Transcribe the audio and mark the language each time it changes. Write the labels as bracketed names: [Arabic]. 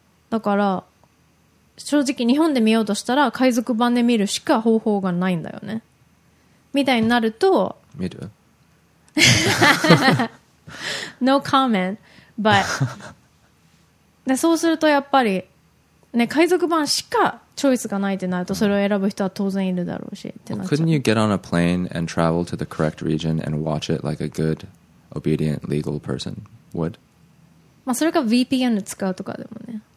[Japanese] だから正直日本で見ようとしたら海賊版で見るしか方法がないんだよねみたいになると見る [English] No comment but [Japanese] でそうするとやっぱりね海賊版しかチョイスがないってなるとそれを選ぶ人は当然いるだろうしってなっちゃう。 [English] Well, couldn't you get on a plane and travel to the correct region and watch it like a good obedient legal person would? [Japanese] まあそれか VPN 使うとかでもね。